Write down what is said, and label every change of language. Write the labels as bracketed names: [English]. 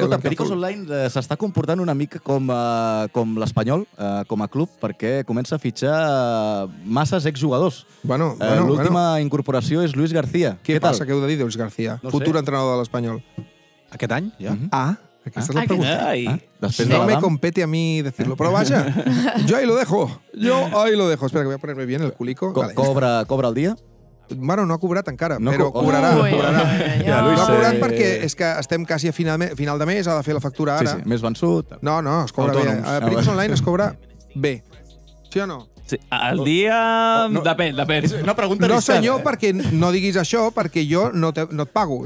[Catalan] Escolta, Pericos Online s'està comportant una mica com l'Espanyol, com a club, perquè comença a fitxar masses exjugadors. Bueno. L'última incorporació és Luis García. Què passa? Què heu de dir, Luis García? Futur entrenador de l'Espanyol. Aquest any, ja? Ah, aquesta és la pregunta. [Spanish] No me compete a mi decirlo, [Catalan] però vaja, jo [Spanish] ahí lo dejo. Espera, que voy a ponerme bien el culico. [Catalan] Cobra el dia? Bueno, no ha cobrat encara, però cobrarà. No ha cobrat perquè és que estem quasi a final de mes, ha de fer la factura ara. Sí, sí, més vençut. No, es cobra bé. A Pericos Online es cobra bé. Sí o no? El dia... Depèn. No pregunta ni senyor, perquè no diguis això, perquè jo no et pago.